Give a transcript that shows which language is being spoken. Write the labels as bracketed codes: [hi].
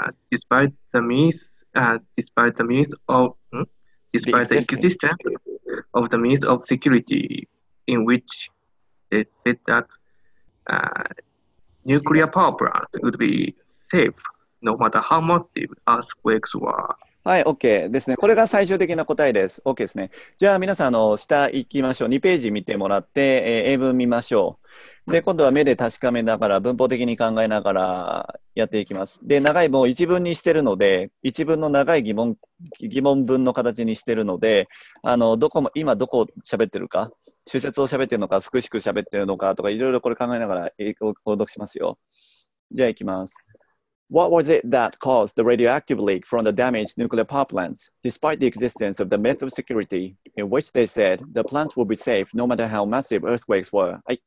[en] Despite the existence of the myth of security, in which they said that nuclear power plant would be safe no matter how massive earthquakes were. [ja] はい、OK ですね。これが最終的な答えです。OK ですね。じゃあ皆さん、下行きましょう。2ページ見てもらって、英文見ましょう。で、今度は目で確かめながら、文法的に考えながらやっていきます。で、長い文を一文にしてるので、一文の長い疑問文の形にしてるので、今どこを喋ってるか、主節を喋ってるのか、複式喋ってるのかとか、いろいろこれ考えながら、購読しますよ。じゃあ行きます。 [en] What was it that caused the radioactive leak from the damaged nuclear power plants, despite the existence of the myth of security, in which they said the plants would be safe no matter how massive earthquakes were?